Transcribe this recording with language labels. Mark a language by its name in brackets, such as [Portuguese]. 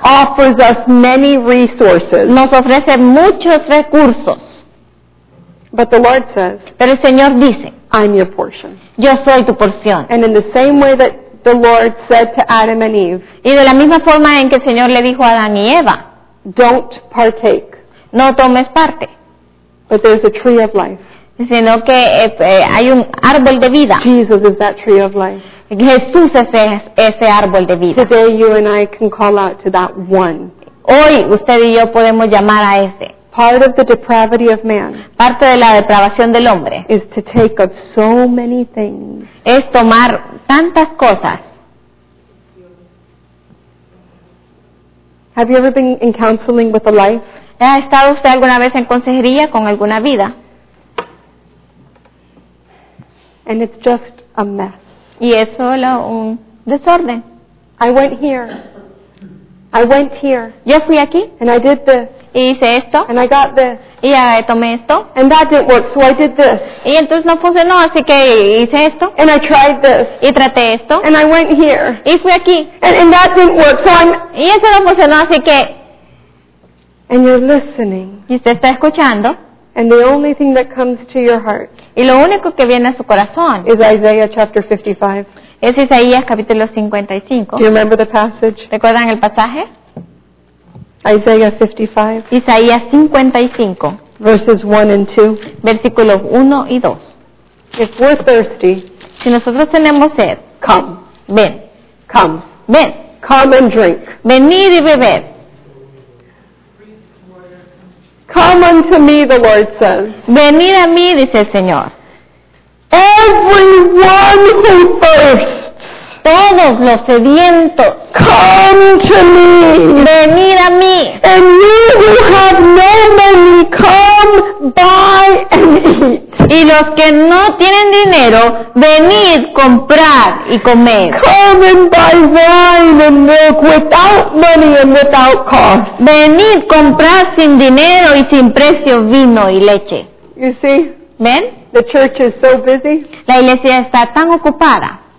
[English] offers us many resources. [Spanish] Nos ofrece muchos recursos. [English] But the Lord says, [Spanish] pero el Señor dice, [English] I'm your portion. [Spanish] Yo soy tu porción. [English] And in the same way that the Lord said to Adam and Eve, [Spanish] y de la misma forma en que el Señor le dijo a Adán y Eva, [English] don't partake. [Spanish] No tomes parte. [English] But there's a tree of life. [Spanish] sino que hay un árbol de vida. [English] Jesus is that tree of life. [Spanish] Jesús es ese árbol de vida. [English] Today you and I can call out to that one. [Spanish] Hoy usted y yo podemos llamar a ese. [English] Part of the depravity of man. [Spanish] Parte de la depravación del hombre. [English] Is to take of so many things. [Spanish] Es tomar tantas cosas. [English] Have you ever been in counseling with a life? [Spanish] ¿Ha estado usted alguna vez en consejería con alguna vida? [English] And it's just a mess. [Spanish] Y es solo un desorden. [English] I went here. I went here. [Spanish] Yo fui aquí. [English] And I did this. [Spanish] Y hice esto. [English] And I got this. [Spanish] Y tomé esto. [English] And that didn't work, so I did this. [Spanish] Y entonces no funcionó, así que hice esto. [English] And I tried this. [Spanish] Y traté esto. [English] And I went here. [Spanish] Y fui aquí. [English] And that didn't work, so I'm... [Spanish] Y eso no funcionó, así que... [English] And you're listening. [Spanish] Y usted está escuchando. [English] And the only thing that comes to your heart. [Spanish] Y lo único que viene a su corazón. [English] Is Isaiah chapter 55. [Spanish] Es Isaías capítulo 55. [English] Do you remember the passage? [Spanish] ¿Recuerdan el pasaje? [English] Isaiah 55. [Spanish] Isaías 55. [English] Verses 1 and 2. [Spanish] Versículos 1 y 2. [English] If we're thirsty. [Spanish] Si nosotros tenemos sed. [English] Come. [Spanish] Ven. [English] Come. [Spanish] Ven. [English] Come and drink. [Spanish] Venid y bebed. [English] Come unto me, the Lord says. [Spanish] Venid a mí, dice el Señor. [English] Everyone who thirsts. [Spanish] Todos los sedientos. [English] Come to me. [Spanish] Venid a mí. [English] And you who have no money, come, buy and eat. [Spanish] Y los que no tienen dinero, venid, comprar y comer. [English] Come and buy wine and milk without money and without cost. [Spanish] Venid, comprar sin dinero y sin precio vino y leche. [English] You see? [Spanish] ¿Ven? [English] The church is so busy. [Spanish] La iglesia está tan ocupada.